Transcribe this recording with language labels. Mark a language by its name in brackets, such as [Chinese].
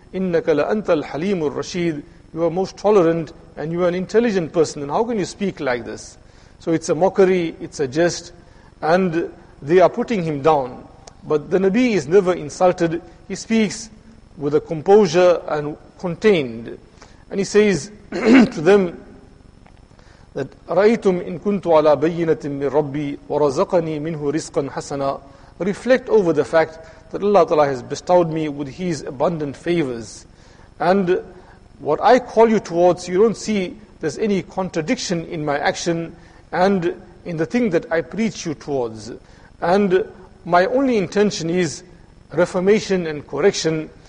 [Arabic] إِنَّكَ لَأَنْتَ الْحَلِيمُ الرَّشِيدُ. [English] You are most tolerant and you are an intelligent person, and how can you speak like this? So it's a mockery, it's a jest, and they are putting him down. But the Nabi is never insulted. He speaks with a composure and contained. And he says to them that [Arabic] رَأَيْتُمْ إِن كُنْتُ عَلَىٰ بَيِّنَةٍ مِّن رَبِّي وَرَزَقَنِي مِنْهُ رِزْقًا حَسَنًا. [English] Reflect over the fact that Allah Ta'ala has bestowed me with His abundant favors. And what I call you towards, you don't see there's any contradiction in my action and in the thing that I preach you towards. And my only intention is reformation and correction.